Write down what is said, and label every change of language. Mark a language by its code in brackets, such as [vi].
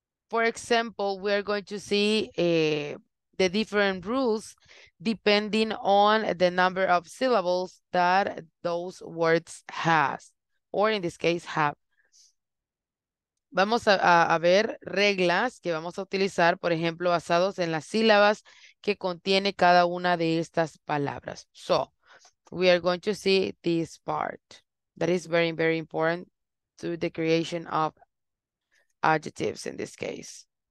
[en] For example, we are going to see the different rules depending on the number of syllables that those words has, or in this case, have. [es] Vamos a ver reglas que vamos a utilizar, por ejemplo, basados en las sílabas que contiene cada una de estas palabras. [en] So, we are going to see this part. That is very, very important to the creation of adjectives in this case.